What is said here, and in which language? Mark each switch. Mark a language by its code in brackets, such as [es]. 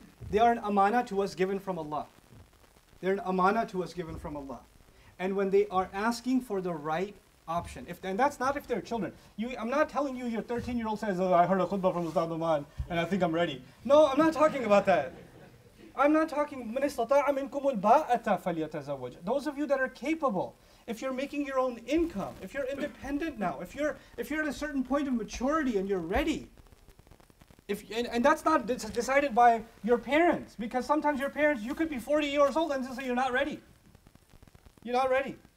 [en] They are an amana to us given from Allah. They're an amana to us given from Allah. And when they are asking for the right option, if they're children. I'm not telling you your 13-year-old says, oh, I heard a khutbah from Ustaz Nouman and I think I'm ready. No, I'm not talking about that. I'm not talking, [ar] مَنْ اسْتَطَاعَ مِنْكُمُ الْبَاءَةَ فَلْيَتَزَوَّجْ. [en] Those of you that are capable, if you're making your own income, if you're independent now, if you're at a certain point of maturity and you're ready, And that's not decided by your parents, because sometimes your parents, you could be 40 years old and just say, you're not ready. You're not ready.